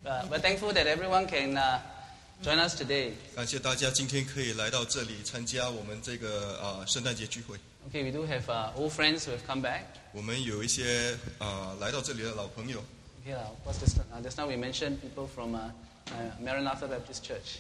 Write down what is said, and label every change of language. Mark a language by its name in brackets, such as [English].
[English] We're thankful that everyone can join us today. [Chinese] 感谢大家今天可以来到这里参加我们这个圣诞节聚会。 [English] Okay, we do have old friends who have come back. [Chinese] 我们有一些来到这里的老朋友。 [English] Okay, just now we mentioned people from Maranatha Baptist Church.